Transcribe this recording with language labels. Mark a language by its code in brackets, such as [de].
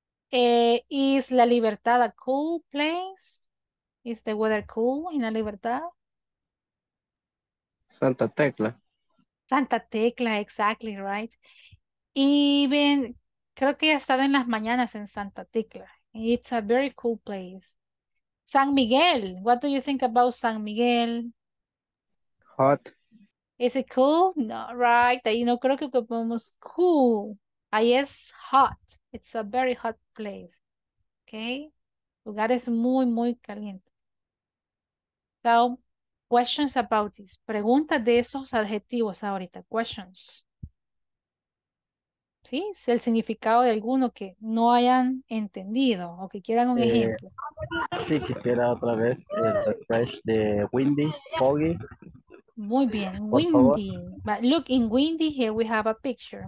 [en] Is La Libertad a cold place? Is the weather cool in La Libertad? Santa Tecla. Santa Tecla, exactly, right? Even, [es] creo que ya he estado en las mañanas en Santa Tecla. [en] It's a very cool place. San Miguel, what do you think about San Miguel? Hot. Is it cool? No, right. [es] Ahí no creo que ocupemos [en] cool. [es] Ahí es [en] hot. It's a very hot place. Okay? [es] Lugares muy, muy calientes. estado [en] questions about this. [es] Preguntas de esos adjetivos ahorita. [en] Questions. [es] ¿Sí? Es el significado de alguno que no hayan entendido o que quieran un ejemplo. Sí, quisiera otra vez el refresh de windy, foggy. Muy bien, por windy. [en] But look, in windy here we have a picture.